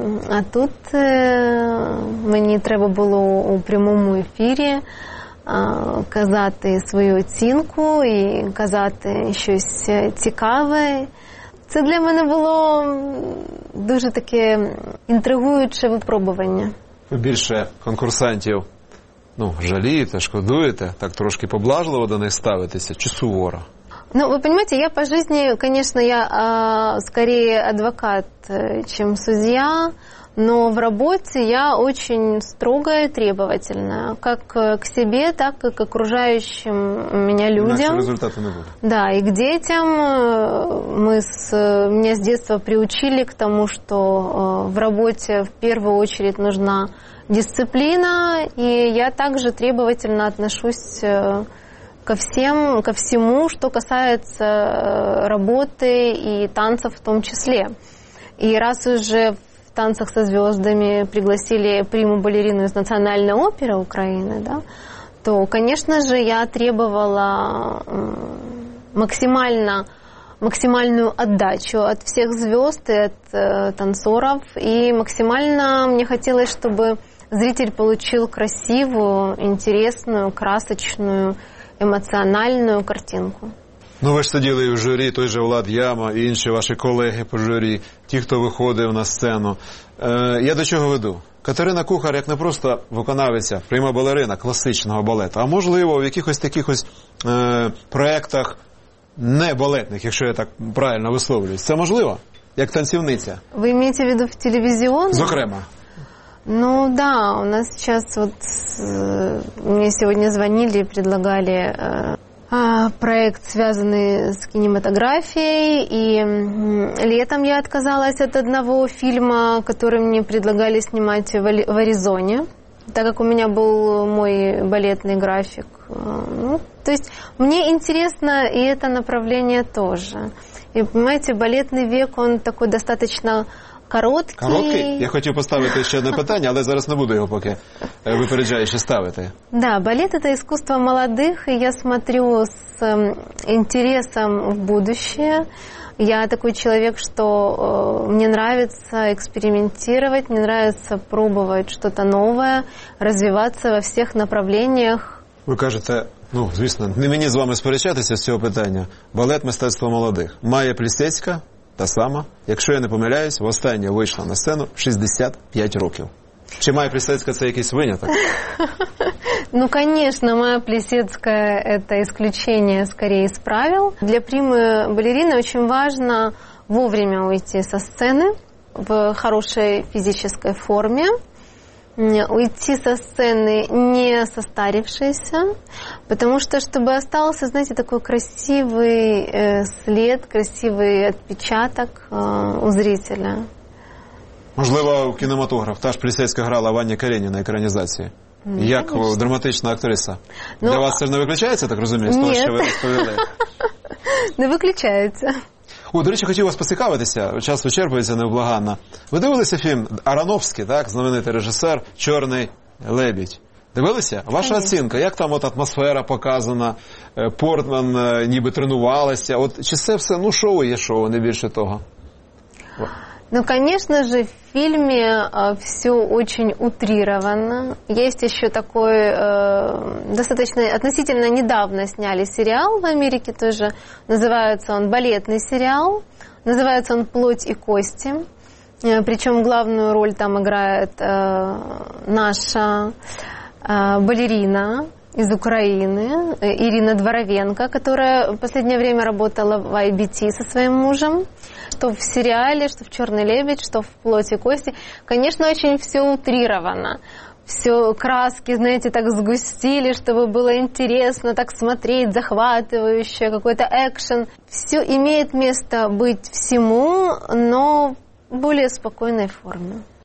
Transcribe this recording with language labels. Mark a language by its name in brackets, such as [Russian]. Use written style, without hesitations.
[Ukrainian] А тут мені треба було у прямому ефірі казати свою оцінку і казати щось цікаве. Це для мене було дуже таке інтригуюче випробування. Ви більше конкурсантів, ну, жалієте, шкодуєте, так трошки поблажливо до них ставитеся чи суворо? [Russian] Ну, ви понимаете, я по жизни, конечно, я скорее адвокат, чем судья, но в работе я очень строгая, требовательная, как к себе, так и к окружающим меня людям. Иначе результата не будет. Да, и к детям. Меня с детства приучили к тому, что в работе в первую очередь нужна дисциплина, и я также требовательно отношусь ко всему, что касается работы и танцев в том числе. И раз уже в «Танцах со звездами» пригласили приму-балерину из Национальной оперы Украины, да, то, конечно же, я требовала максимальную отдачу от всех звезд и от танцоров. И максимально мне хотелось, чтобы зритель получил красивую, интересную, красочную, емоціональну картинку. [Ukrainian] Ну, ви ж сиділи в журі, той же Влад Яма і інші ваші колеги по журі, ті, хто виходив на сцену. Я до чого веду? Катерина Кухар, як не просто виконавиця, пряма балерина класичного балету, а можливо, в якихось таких проєктах не балетних, якщо я так правильно висловлююсь. Це можливо? Як танцівниця? Ви маєте в виду в телевізіон? Зокрема. [Russian] Ну да, у нас сейчас вот мне сегодня звонили и предлагали проект, связанный с кинематографией, и летом я отказалась от одного фильма, который мне предлагали снимать в Аризоне, так как у меня был мой балетный график. Ну, то есть мне интересно и это направление тоже. И понимаете, балетный век, он такой достаточно короткий. [Ukrainian] Я хотів поставити ще одне питання, але зараз не буду його поки випереджаючи ставити. Да, балет – це искусство молодих, і я смотрю з інтересом в будущее. [Russian] Я такой человек, что мне нравится экспериментировать, мне нравится пробовать что-то новое, развиваться во всех направлениях. [Ukrainian] Ви кажете, ну, звісно, не мені з вами сперечатися з цього питання. Балет – мистецтво молодих. Майя Плісецька? Та сама, якщо я не помиляюсь, востаннє вийшла на сцену 65 років. Чи Майя Плісецька це якийсь виняток? Ну, звісно, Майя Плісецька – це [Russian] исключение, скорее, [Ukrainian] з правил. Для прими балерини дуже важливо [Russian] вовремя уйти [Ukrainian] зі сцени в хорошій фізичній формі. [Russian] Уйти со сцены не состарившейся, потому что, чтобы остался, знаете, такой красивый след, красивый отпечаток у зрителя. [Ukrainian] Можливо, в кинематограф. Та ж Плісецька грала Ваня Каренина на экранизации. Ну, як конечно. Драматична актриса. Ну, для вас це ж не виключається, так розумієш? [Russian] Нет. [Ukrainian] Того, що ви розповіли. Не виключається. О, до речі, хотів вас поцікавитися, час вичерпується невблаганно. Ви дивилися фільм Ароновський, так, знаменитий режисер «Чорний лебідь». Дивилися? Ваша оцінка, як там от атмосфера показана, Портман ніби тренувалася, от чи це все, ну, шоу є шоу, не більше того? Ну, звісно ж, в фільмі все дуже утрировано. Є ще такий достатньо відносительно недавно зняли серіал в Америці теж. Називається він балетний серіал. Називається він «Плоть і кості». Причому головну роль там грає наша балерина з України Ірина Дворовенко, яка в останнє час працювала в IBT зі своїм мужем. [Russian] Что в сериале, что в «Черный лебедь», что в «Плоть и кости». Конечно, очень все утрировано. Все краски, знаете, так сгустили, чтобы было интересно так смотреть, захватывающе, какой-то экшен. Все имеет место быть всему, но в более спокойной форме.